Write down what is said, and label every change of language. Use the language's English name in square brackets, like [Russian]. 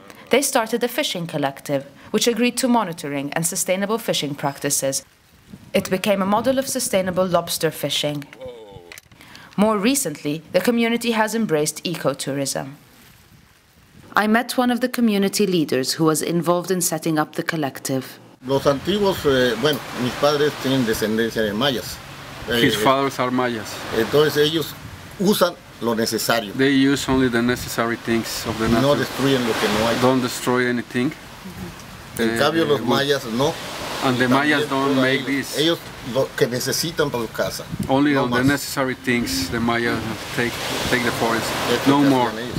[English] They started a fishing collective, which agreed to monitoring and sustainable fishing practices. It became a model of sustainable lobster fishing. More recently, the community has embraced ecotourism. I met one of the community leaders who was involved in setting up the collective. [Spanish] Los antiguos, bueno, mis padres tienen descendencia de mayas. [English] His fathers are mayas. [Spanish] Entonces ellos usan lo necesario. [English] They use only the necessary things of the nature. [Spanish] No destruyen lo que no hay. [English] Don't destroy anything. [Spanish] En cambio los mayas no. [English] And the Mayas don't make this. [Spanish] Ellos lo que necesitan para su casa. [English] Only on the necessary things the Mayas take the forest. No more.